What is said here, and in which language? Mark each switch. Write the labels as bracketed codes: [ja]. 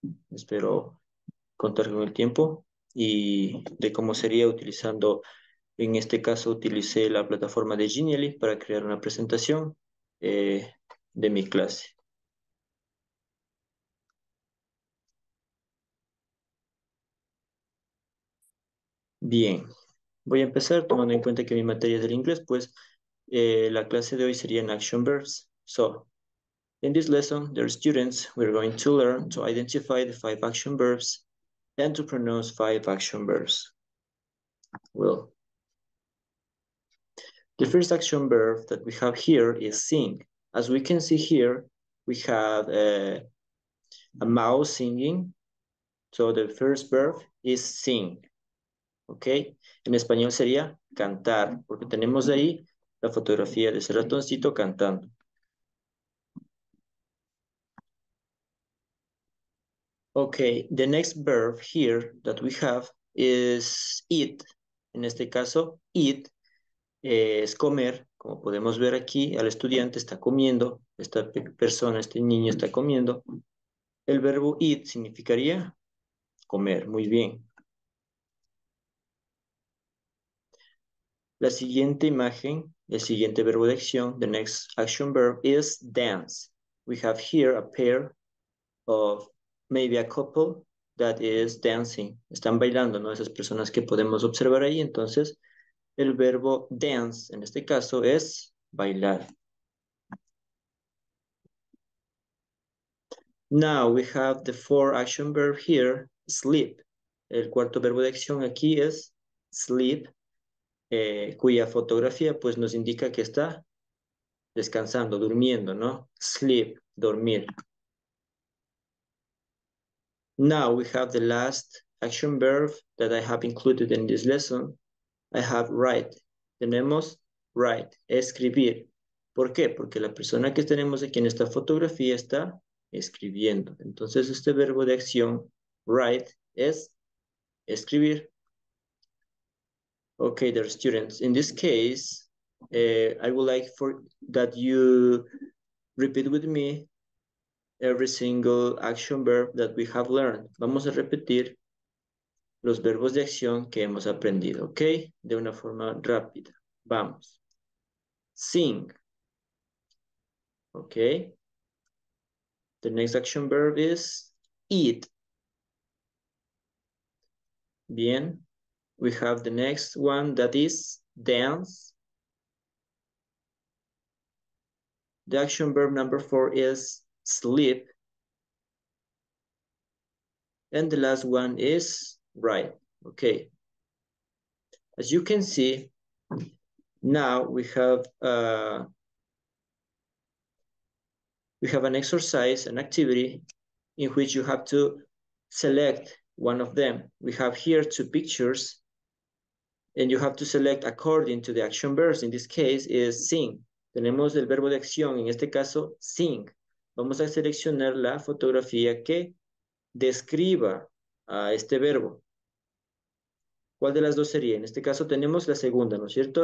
[es] Espero contar con el tiempo y de cómo sería utilizando, en este caso utilicé la plataforma de Genially para crear una presentación de mi clase. Bien. Voy a empezar tomando en cuenta que mi materia es el inglés, pues la clase de hoy sería en Action Verbs. [en] So, in this lesson, dear students, we're going to learn to identify the five action verbs and to pronounce five action verbs. Well, the first action verb that we have here is sing. As we can see here, we have a mouse singing. So the first verb is sing. ¿Ok? [es] En español sería cantar, porque tenemos ahí la fotografía de ese ratoncito cantando. [en] Ok, the next verb here that we have is eat. [es] En este caso, eat es comer. Como podemos ver aquí, el estudiante está comiendo, esta persona, este niño está comiendo. El verbo eat significaría comer. Muy bien. La siguiente imagen, el siguiente verbo de acción, [en] the next action verb is dance. We have here a pair of maybe a couple that is dancing. [es] Están bailando, ¿no? Esas personas que podemos observar ahí. Entonces, el verbo dance en este caso es bailar. [en] Now we have the fourth action verb here, sleep. [es] El cuarto verbo de acción aquí es sleep. Cuya fotografía pues nos indica que está descansando, durmiendo, ¿no? Sleep, dormir. [en] Now we have the last action verb that I have included in this lesson. I have write. [es] Tenemos write, escribir. ¿Por qué? Porque la persona que tenemos aquí en esta fotografía está escribiendo. Entonces este verbo de acción, write, es escribir. [en] Okay, dear students, in this case, I would like for that you repeat with me every single action verb that we have learned. [es] Vamos a repetir los verbos de acción que hemos aprendido, okay? De una forma rápida. Vamos. Sing. Okay. [en] The next action verb is eat. [es] Bien. [en] We have the next one that is dance. The action verb number four is sleep. And the last one is write. Okay. As you can see, now we have an exercise, an activity in which you have to select one of them. We have here two pictures. And you have to select according to the action verbs. In this case, is sing. [es] Tenemos el verbo de acción, en este caso, sing. Vamos a seleccionar la fotografía que describa a este verbo. ¿Cuál de las dos sería? En este caso, tenemos la segunda, ¿no es cierto?